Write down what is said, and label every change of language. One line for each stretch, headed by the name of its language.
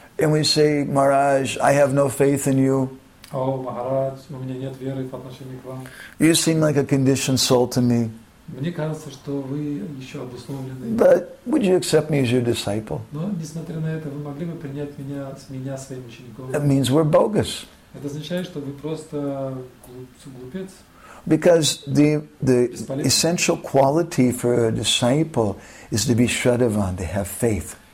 English: And we say, Maharaj, I have no faith in you.
Russian: О, Махарадж, у меня нет веры по отношению к вам.
English: You seem like a conditioned soul to me.
Russian: Мне кажется, что вы еще обусловленный.
English: But would you accept me as your disciple?
Russian: Но несмотря на это, вы могли бы принять меня своим учеником?
English: That means we're bogus.
Russian: Это означает, что вы просто глупец.
English: Because the essential quality for a disciple is to be Shraddhavan, to have faith.